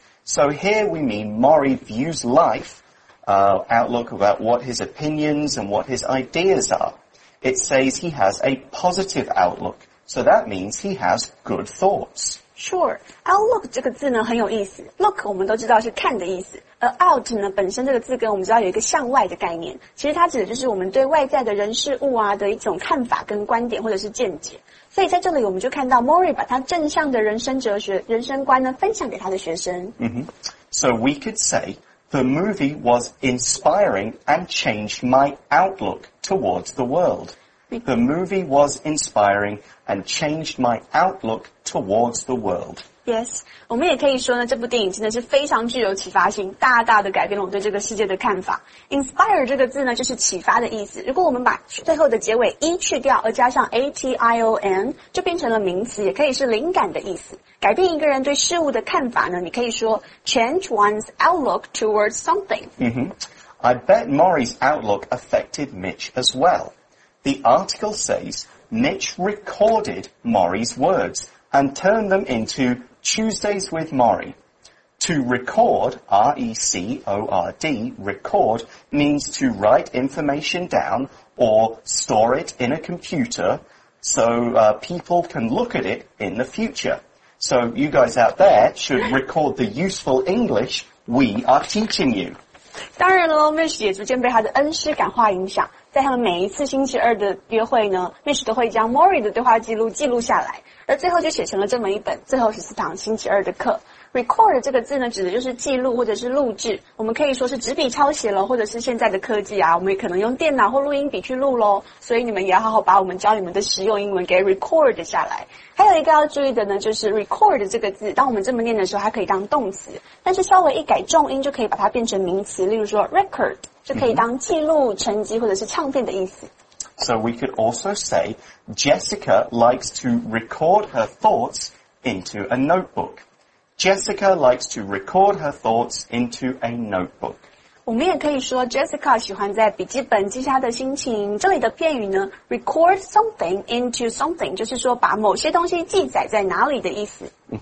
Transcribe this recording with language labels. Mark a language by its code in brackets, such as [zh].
[en] So here we mean Maury views life, outlook about what his opinions and what his ideas are. It says he has a positive outlook, so that means he has good thoughts. Sure. [zh] Outlook 这个字呢很有意思。Look 我们都知道是看的意思。而 out 呢本身这个字跟我们知道有一个向外的概念。其实它指的就是我们对外在的人事物啊的一种看法跟观点或者是见解。所以在这里我们就看到 Mori 把他正向的人生哲学人生观呢分享给他的学生。 [en] So we could say, the movie was inspiring and changed my outlook towards the world. The movie was inspiring and changed my outlook towards the world. [zh] Yes, 我们也可以说呢，这部电影真的是非常具有启发性，大大的改变了我对这个世界的看法。 Inspire 这个字呢，就是启发的意思。如果我们把最后的结尾 e 去掉，而加上 ation， 就变成了名词，也可以是灵感的意思。改变一个人对事物的看法呢，你可以说 [en] change one's outlook towards something. I bet Maury's outlook affected Mitch as well. The article says, Mitch recorded Maury's words and turned them into Tuesdays with Maury. To record, R-E-C-O-R-D, record, means to write information down or store it in a computer so, people can look at it in the future. So you guys out there should record the useful English we are teaching you. [zh] 当然了 ,Mitch 也逐渐被他的恩师感化影响。在他们每一次星期二的约会呢 ,Mitch 都会将 Maury 的对话记录记录下来。而最后就写成了这么一本最后14堂星期二的课。Record 这个字呢指的就是记录或者是录制。我们可以说是纸笔抄写了或者是现在的科技啊我们也可能用电脑或录音笔去录咯。所以你们也要好好把我们教你们的实用英文给 record 下来。还有一个要注意的呢就是 record 这个字当我们这么念的时候它可以当动词。但是稍微一改重音就可以把它变成名词例如说 record, 就可以当记录成绩或者是唱片的意思。 [en] So we could also say, Jessica likes to record her thoughts into a notebook. Jessica likes to record her thoughts into a notebook. [zh] 我们也可以说 Jessica 喜欢在笔记本记下的心情。这里的片语呢 , [en] record something into something, [zh] 就是说把某些东西记载在哪里的意思。